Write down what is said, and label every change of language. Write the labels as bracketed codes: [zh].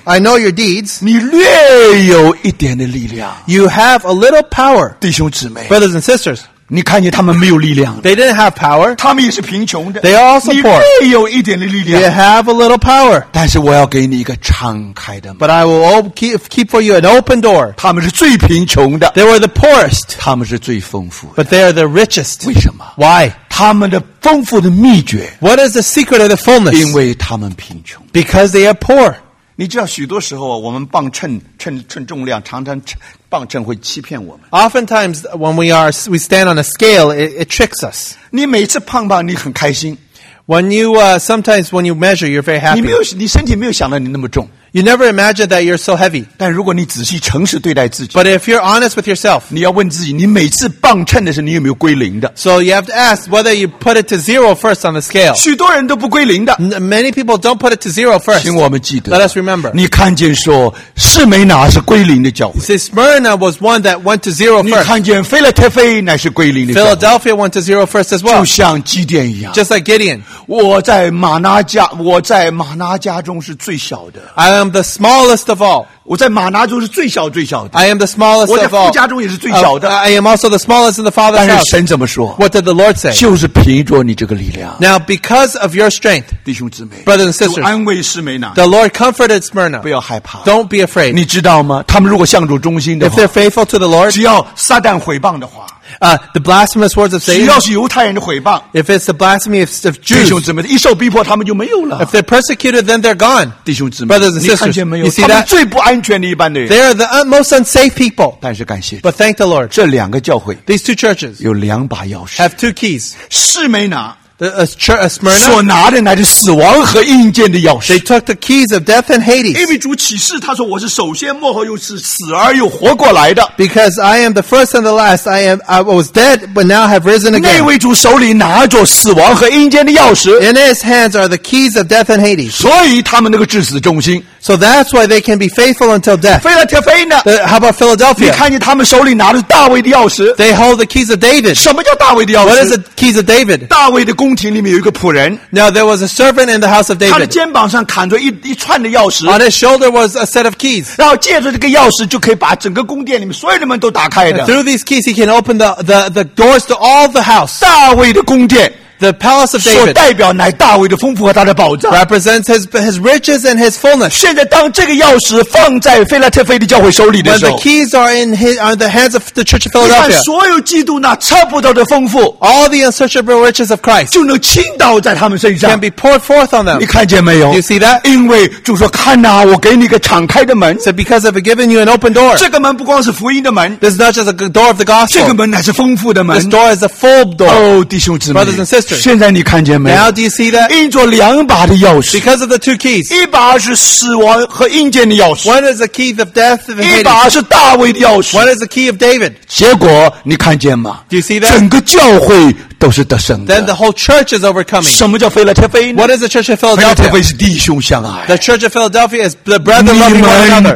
[en] I know your deeds. [zh] 你略有一点的力量。 [en] You have a little power. [zh] 弟兄姊妹。 [en] Brothers and sisters. [zh] 你看见他们没有力量。 [en] They didn't have power. [zh] 他们也是贫穷的。 [en] They are also poor. [zh] 你略有一点的力量。 [en] You have a little power. [zh] 但是我要给你一个敞开的门。 [en] But I will keep for you an open door. [zh] 他们是最贫穷的。 [en] They were the poorest. [zh] 他们是最丰富的。 [en] But they are the richest. [zh] 为什么？ [en] Why? [zh] 他们的丰富的秘诀。 [en] What is the secret of the fullness? [zh] 因为他们贫穷。 [en] Because they are poor. [zh] 你知道许多时候我们磅称重量常常磅称会欺骗我们。 [en] Oftentimes, when we stand on a scale, it tricks us. [zh] 你每次磅磅你很开心。 [en] When you, sometimes when you measure, you're very happy. [zh] 你身体没有想到你那么重。 [en] You never imagine that you're so heavy. [zh] 但如果你仔细诚实对待自己。 [en] But if you're honest with yourself. [zh] 你要问自己，你每次磅秤的时候，你有没有归零的。 [en] So you have to ask whether you put it to zero first on the scale. [zh] 许多人都不归零的。 [en] Many people don't put it to zero first. [zh] 请我们记得。 [en] Let us remember. [zh] 你看见说，士美拿是归零的教会。 [en] You see, Smyrna was one that went to zero first. [zh] 你看见腓立帖腓乃是归零的教会。 [en] Philadelphia went to zero first as well. [zh] 就像基甸一样。 [en] Just like Gideon. [zh] 我在玛拿家中是最小的。 [en] I am the smallest of all. [zh] 我在马拿中是最小最小的。 [en] I am the smallest of all. [zh] 我在父家中也是最小的。 [en] I am also the smallest in the father's house. [zh] 但是神怎么说？ [en] What did the Lord say? [zh] 就是凭着你这个力量。 [en] Now because of your strength, [zh] 弟兄姊妹， [en] brothers and sisters, [zh] 安慰士美拿。 [en] The Lord comforted Smyrna. [zh] 不要害怕。 [en] Don't be afraid. [zh] 你知道吗？他们如果向主忠心的话， [en] if they're faithful to the Lord, [zh] 只要撒旦毁谤的话。 [en] The blasphemous words of Satan. [zh] 只要是犹太人的毁谤。 [en] If it's the blasphemy of Jews. [zh] 弟兄姊妹，一受逼迫，他们就没有了。 [en] If they're persecuted, then they're gone. [zh] 弟兄姊妹， [en] brothers and sisters, [zh] 你看见没有？ [en] You see that? [zh] 他们最不安全的一般的人。 [en] They are the most unsafe people. [zh] 但是感谢主。 [en] But thank the Lord. [zh] 这两个教会。 [en] These two churches. [zh] 有两把钥匙。 [en] Have two keys. [zh] 士美拿。 [en] A Smyrna, [zh] 所拿的乃是死亡和阴间的钥匙。 [en] They took the keys of death and Hades. [zh] 因为主启示，他说我是首先末后，又是死而又活过来的。 [en] Because I am the first and the last, I was dead, but now have risen again. [zh] 那位主手里拿着死亡和阴间的钥匙。 [en] In his hands are the keys of death and Hades. [zh] 所以他们那个至死忠心。 [en] So that's why they can be faithful until death. [zh] 腓立帖腓呢？ [en] How about Philadelphia? [zh] 你看见他们手里拿着大卫的钥匙。 [en] They hold the keys of David. [zh] 什么叫大卫的钥匙？ [en] What is the keys of David? [zh] 大卫的宫廷里面有一个仆人。 [en] Now there was a servant in the house of David. [zh] 他的肩膀上扛着一串的钥匙。 [en] On his shoulder was a set of keys. [zh] 然后借着这个钥匙就可以把整个宫殿里面所有的门都打开的。 [en] And through these keys he can open the doors to all the house. [zh] 大卫的宫殿。 [en] The palace of David [zh] 所代表乃大卫的丰富和他的宝藏 [en] represents his riches and his fullness. [zh] 现在当这个钥匙放在腓立帖腓的教会手里的时候 [en] when the keys are in the hands of the church of Philadelphia, [zh] 你看所有基督那测不到的丰富 [en] all the unsearchable riches of Christ [zh] 就能倾倒在他们身上 [en] can be poured forth on them. [zh] 你看见没有 [en] you see that? [zh] 因为主说看哪、啊、我给你一个敞开的门 [en] so because I've given you an open door. [zh] 这个门不光是福音的门 [en] this is not just a door of the gospel. [zh] 这个门乃是丰富的门 [en] this door is a full door. [zh] 哦弟兄姊妹 [en] brothers and sisters, [zh] 现在你看见没有 [en] Now do you see that? [zh] 印着两把的钥匙 [en] Because of the two keys [zh] 一把是死亡和阴间的钥匙 [en] One is the key of death of Hades [zh] 一把是大卫的钥匙 [en] One is the key of David [zh] 结果你看见吗 [en] Do you see that? [zh] 整个教会都是得胜的 [en] Then the whole church is overcoming [zh] 什么叫腓立帖腓 [en] What is the church of Philadelphia? [zh] 腓立帖腓是弟兄相爱 [en] The church of Philadelphia is the brethren loving one another